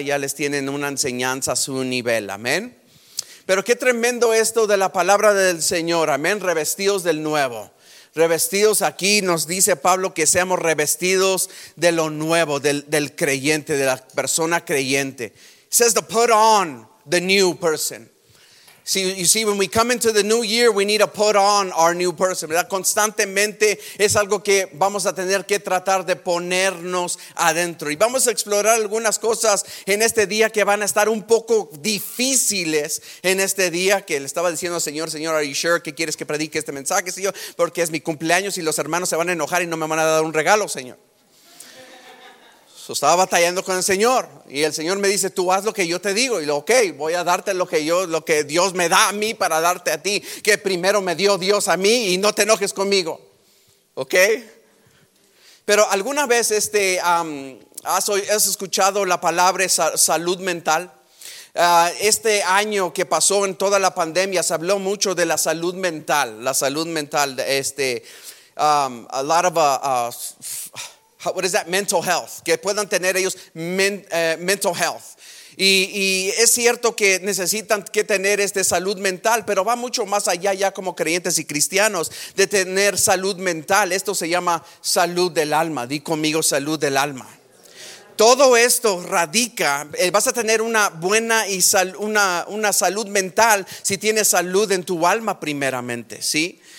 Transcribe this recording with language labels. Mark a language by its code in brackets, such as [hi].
[es] Ya les tienen una enseñanza a su nivel. Amén. Pero qué tremendo esto de la palabra del Señor. Amén. Revestidos del nuevo. Revestidos, aquí nos dice Pablo que seamos revestidos de lo nuevo, del creyente, de la persona creyente. [en] It says to put on the new person. See, you see, when we come into the new year, we need to put on our new person. [es] ¿Verdad? Constantemente es algo que vamos a tener que tratar de ponernos adentro. Y vamos a explorar algunas cosas en este día que van a estar un poco difíciles en este día. Que le estaba diciendo al Señor, [en] are you sure [es] que quieres que predique este mensaje, Señor? Porque es mi cumpleaños y los hermanos se van a enojar y no me van a dar un regalo, Señor. Estaba batallando con el Señor y el Señor me dice: tú haz lo que yo te digo. Y digo: ok, voy a darte lo que Dios me da a mí para darte a ti, que primero me dio Dios a mí, y no te enojes conmigo, ok. Pero alguna vez ¿Has escuchado la palabra salud mental? Este año que pasó en toda la pandemia se habló mucho de la salud mental. La salud mental, [en] a lot of, what is that, mental health. [es] Que puedan tener ellos mental health. Y es cierto que necesitan que tener salud mental, pero va mucho más allá ya como creyentes y cristianos de tener salud mental. Esto se llama salud del alma. Di conmigo salud del alma. Todo esto radica, vas a tener una buena y una salud mental si tienes salud en tu alma primeramente, ¿sí?